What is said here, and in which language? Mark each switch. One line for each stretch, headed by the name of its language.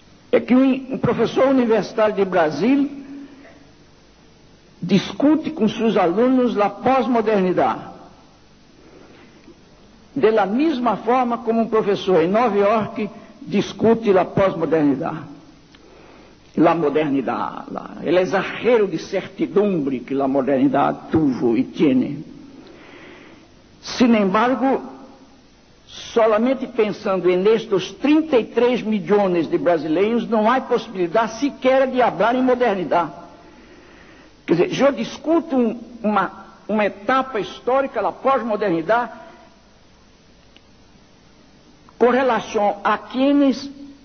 Portuguese: É que um professor universitário de Brasil discute com seus alunos a pós-modernidade. De la mesma forma como um professor em Nova York discute a pós-modernidade.
Spanish: La modernidade, el exagero de certidumbre que la modernidade tuvo e tiene. Sin embargo, solamente pensando
Portuguese: em estes 33 milhões de brasileiros, não há possibilidade sequer de hablar em modernidade. Quer dizer, eu discuto uma etapa histórica, a pós-modernidade, com relação a quienes...